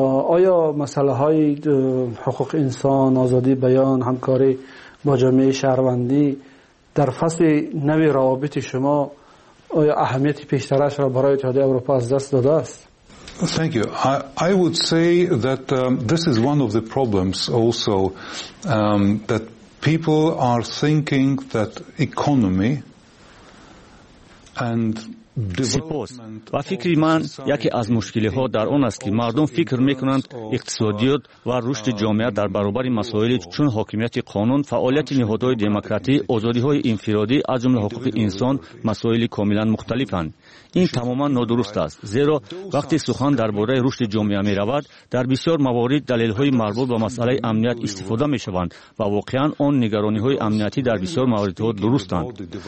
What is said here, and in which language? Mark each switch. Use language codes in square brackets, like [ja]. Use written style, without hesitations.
[fa] آیا مسئله های حقوق انسان، آزادی بیان، همکاری با جامعه شهروندی در فصل نوی روابط شما، آیا اهمیت پیشترش را برای اتحادیه اروپا از دست داده است؟ [en] Thank you. I would say that this is one of the problems also that people are thinking that economy and [fa] سپاس. و فکر من یکی از مشکلی ها در آن است که مردم فکر میکنند اقتصادیات و رشد جامعه در برابر مسائل چون حاکمیت قانون، فعالیت نهادهای دموکراتی، آزادی های انفرادی از جمله حقوق انسان مسائل کاملا مختلفند. این تماما نادرست است، زیرا وقتی سخن درباره رشد جامعه می رود، در بسیار موارد دلایل های مربوط به مسئله امنیت استفاده می شوند و واقعا آن نگرانی های امنیتی در بسیار موارد ها درستند.